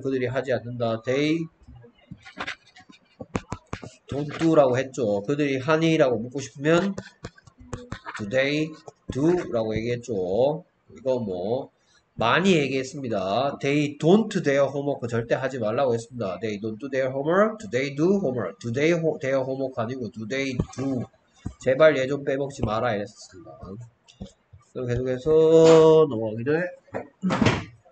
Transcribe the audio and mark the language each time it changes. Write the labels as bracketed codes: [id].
[ko] 그들이 하지 않는다. [en] They don't do [ko] 라고 했죠. 그들이 하니라고 묻고 싶으면 [en] do they do [ko] 라고 얘기했죠. 이거 뭐 많이 얘기했습니다. [en] They don't their homework [ko] 절대 하지 말라고 했습니다. [en] They don't do their homework. Do they do homework? Do they their homework [ko] 아니고 [en] do they do. [ko] 제발 얘 좀 빼먹지 마라 이랬습니다. 그럼 계속해서 넘어가기를.